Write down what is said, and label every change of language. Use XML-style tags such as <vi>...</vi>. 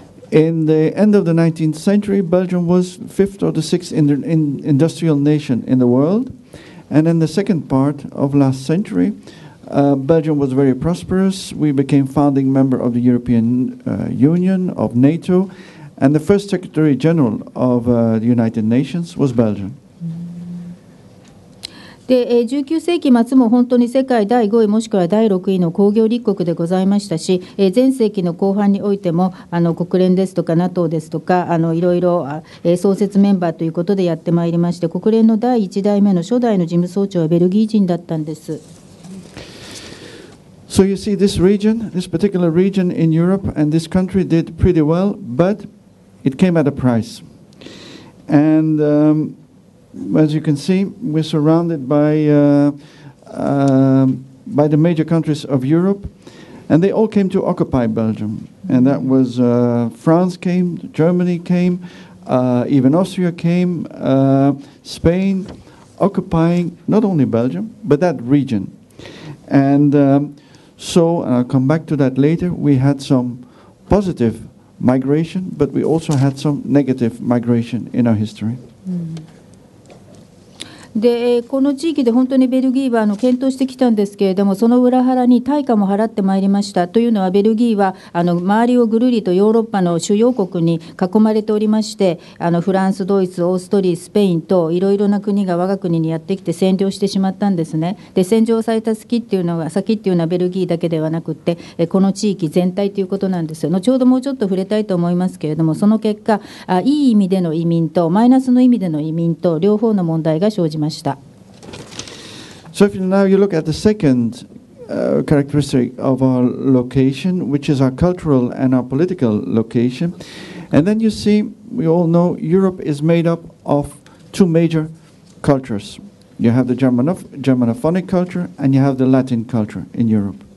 <en>In the end of the 19th century, Belgium was fifth or the sixth industrial nation in the world. And in the second part of last century, Belgium was very prosperous. We became founding member of the European Union, of NATO, and the first Secretary General of the United Nations was Belgium.</en> <ja>で、19世紀末も本当に世界第5位もしくは第6位の工業立国でございましたし、前世紀の後半においても国連ですとか NATO ですとかいろいろ創設メンバーということでやってまいりまして、国連の第1代目の初代の事務総長はベルギー人だったんです。</ja> <en>So you see this region, this particular region in Europe and this country did pretty well, but it came at a price. AndAs you can see, we're surrounded by the major countries of Europe, and they all came to occupy Belgium. And that was France came, Germany came, even Austria came, Spain, occupying not only Belgium, but that region. And so, and I'll come back to that later, we had some positive migration, but we also had some negative migration in our history.、Mm-hmm.</en> <ja>で、この地域で本当にベルギーは検討してきたんですけれども、その裏腹に対価も払ってまいりました。というのはベルギーは周りをぐるりとヨーロッパの主要国に囲まれておりまして、フランス、ドイツ、オーストリア、スペインといろいろな国が我が国にやってきて占領してしまったんですね。で、占領された先っていうのはベルギーだけではなくて、この地域全体ということなんですよ。ちょうどもうちょっと触れたいと思いますけれども、その結果いい意味での移民とマイナスの意味での移民と両方の問題が生じ</ja> <en>So if now you look at the second characteristic of our location, which is our cultural and our political location, and then you see, we all know Europe is made up of two major cultures. You have the Germanophonic culture and you have the Latin culture in Europe.</en>